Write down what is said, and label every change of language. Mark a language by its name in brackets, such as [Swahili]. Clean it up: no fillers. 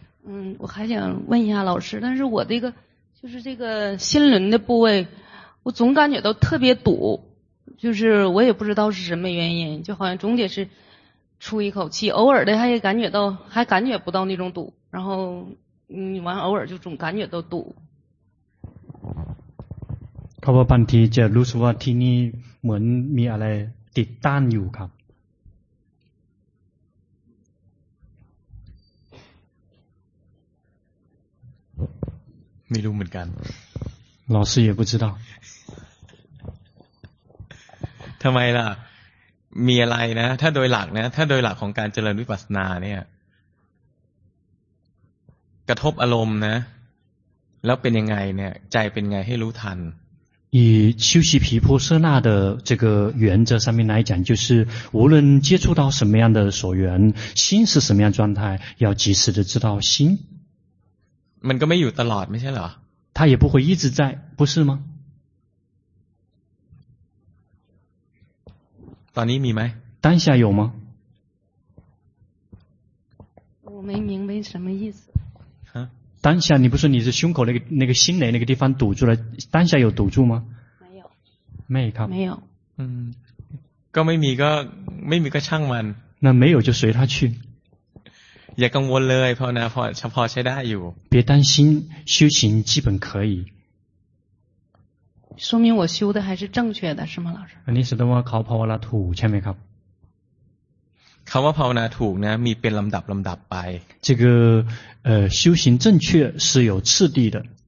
[Chinese] 嗯，我还想问一下老师，但是我这个就是这个心轮的部位，我总感觉到特别堵，就是我也不知道是什么原因，就好像总得是出一口气，偶尔的还感觉到还感觉不到那种堵，然后嗯，完偶尔就总感觉到堵。 [Thai] เขาบอกบางทีจะรู้สึกว่าที่นี่เหมือนมีอะไรติดตั้งอยู่ครับ ไม่รู้เหมือนกัน [Chinese] 老师也不知道 [Thai] ทำไมล่ะมีอะไรนะถ้าโดยหลักนะถ้าโดยหลักของการเจริญวิปัสสนาเนี่ยกระทบอารมณ์นะแล้วเป็นยังไงเนี่ยใจเป็นไงให้รู้ทัน [Chinese] 以修习毗婆舍那的这个原则上面来讲就是无论接触到什么样的所缘心是什么样状态要及时的知道心 [Thai] มันก็ไม่อยู่ตลอดไม่ใช่เหรอ [Chinese] 他也不会一直在不是吗 [Thai] ตอนนี้มีไหม [Chinese] 当下有吗我没明白什么意思当下你不是你是胸口那个心雷那个地方堵住了当下有堵住吗没有没有没有 [Thai] ก็ไม่มีก็ไม่มีก็ช่างมัน [Chinese] 那没有就随他去 [Thai] อย่ากังวลเลยพอนะพอใช้ได้อยู่ [Chinese] 别担心修行基本可以说明我修的还是正确的是吗老师 [Thai] อันนี้แสดงว่าเขาภาวนาถูกใช่ไหมครับ คำว่าภาวนาถูกนะมีเป็นลำดับไป [Chinese] 这个修行正确是有次第的